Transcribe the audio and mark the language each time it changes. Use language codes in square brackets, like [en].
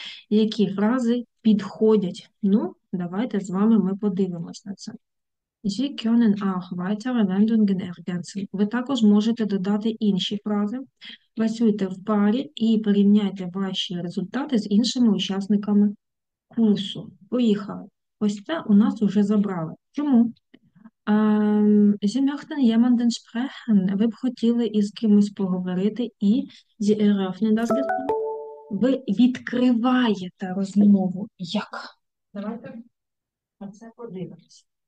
[uk] Які фрази підходять? Ну, давайте з вами ми подивимось на це. [de] Sie können auch weitere Wendungen ergänzen. [uk] Ви також можете додати інші фрази. Працюйте в парі і порівняйте ваші результати з іншими учасниками курсу. Поїхали. Ось це у нас вже забрали. Чому? [de] Sie möchten jemanden sprechen. [uk] Ви б хотіли із кимось поговорити і [de] Sie eröffnen das Gespräch. [uk] Ви відкриваєте розмову. Як? Давайте на це подивимось.